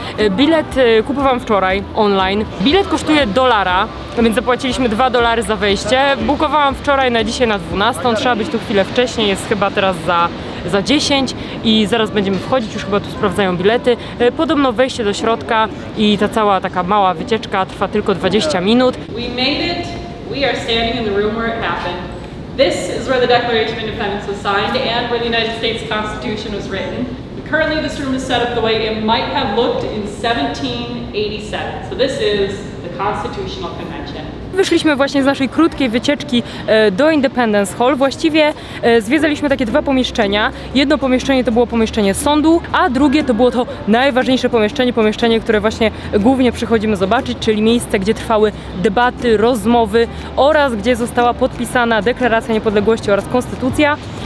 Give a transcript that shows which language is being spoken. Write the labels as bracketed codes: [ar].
[pl] Bilet kupowałam wczoraj online. Bilet kosztuje dolara, więc zapłaciliśmy 2 dolary za wejście. Bukowałam wczoraj na dzisiaj na 12. Trzeba być tu chwilę wcześniej, jest chyba teraz za 10 i zaraz będziemy wchodzić, już chyba tu sprawdzają bilety. Podobno wejście do środka i ta cała taka mała wycieczka trwa tylko 20 minut. [en] We made it. We are standing in the room where it happened. This is where the Declaration of Independence was signed and where the United States Constitution was written. Currently, this room is set up the way it might have looked in 1787. So this is the Constitutional Convention. [pl] Wyszliśmy właśnie z naszej krótkiej wycieczki do Independence Hall. Właściwie zwiedzaliśmy takie dwa pomieszczenia. Jedno pomieszczenie to było pomieszczenie sądu, a drugie to było to najważniejsze pomieszczenie, pomieszczenie, które właśnie głównie przychodzimy zobaczyć, czyli miejsce, gdzie trwały debaty, rozmowy oraz gdzie została podpisana Deklaracja Niepodległości oraz Konstytucja.